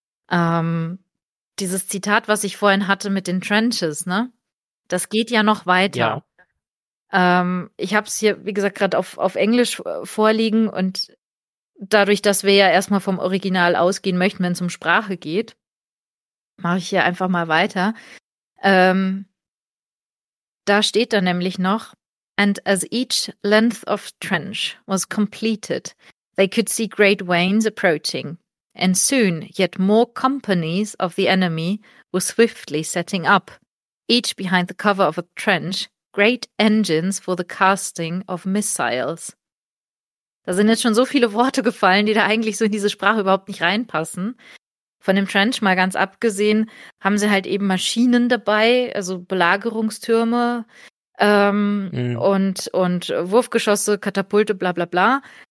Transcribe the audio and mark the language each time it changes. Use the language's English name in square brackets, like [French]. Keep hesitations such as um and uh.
[German] Ähm, dieses Zitat, was ich vorhin hatte mit den Trenches, ne? Das geht ja noch weiter. Ähm, ich habe es hier, wie gesagt, gerade auf, auf Englisch äh, vorliegen und dadurch, dass wir ja erstmal vom Original ausgehen möchten, wenn es um Sprache geht, mache ich hier einfach mal weiter. Ähm, da steht dann nämlich noch, [English] and as each length of trench was completed, they could see great wains approaching, and soon yet more companies of the enemy were swiftly setting up, each behind the cover of a trench, great engines for the casting of missiles. [German] Da sind jetzt schon so viele Worte gefallen, die da eigentlich so in diese Sprache überhaupt nicht reinpassen. Von dem Trench mal ganz abgesehen, haben sie halt eben Maschinen dabei, also Belagerungstürme, ähm, Mhm. und, und Wurfgeschosse, Katapulte, bla bla bla.